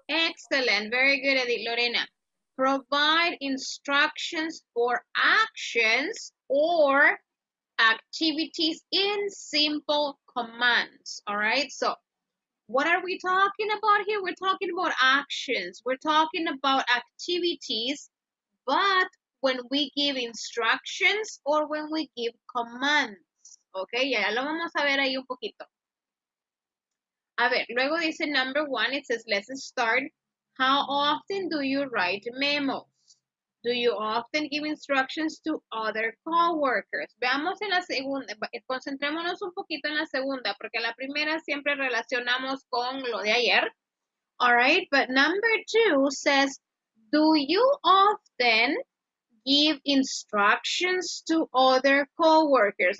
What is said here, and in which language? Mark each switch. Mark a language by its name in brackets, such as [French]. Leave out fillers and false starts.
[English] Excellent. Very good, Edith Lorena. Provide instructions for actions or activities in simple commands. All right. So what are we talking about here? We're talking about actions. We're talking about activities, but when we give instructions or when we give commands. [Spanish] Ok, ya lo vamos a ver ahí un poquito. A ver, luego dice [English] number one, it says, let's start. How often do you write memos? Do you often give instructions to other coworkers? [Spanish] Veamos en la segunda, concentrémonos un poquito en la segunda, porque la primera siempre relacionamos con lo de ayer. [English] All right, but number two says, do you often give instructions to other coworkers.